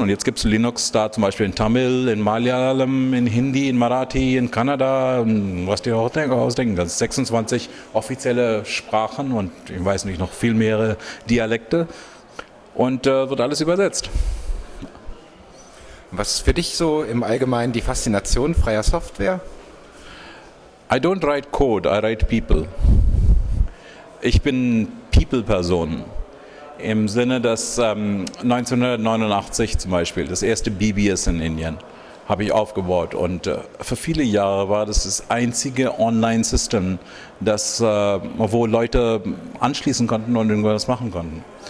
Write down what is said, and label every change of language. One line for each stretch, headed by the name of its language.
German: Und jetzt gibt es Linux da zum Beispiel in Tamil, in Malayalam, in Hindi, in Marathi, in Kanada, in, was die auch ausdenken. Das sind 26 offizielle Sprachen und ich weiß nicht, noch viel mehrere Dialekte. Und wird alles übersetzt. Was ist für dich so im Allgemeinen die Faszination freier Software?
English: I don't write code, I write people.
German: Ich bin People-Person. Im Sinne, dass 1989 zum Beispiel, das erste BBS in Indien, habe ich aufgebaut. Und für viele Jahre war das das einzige Online-System, wo Leute anschließen konnten und irgendwas machen konnten.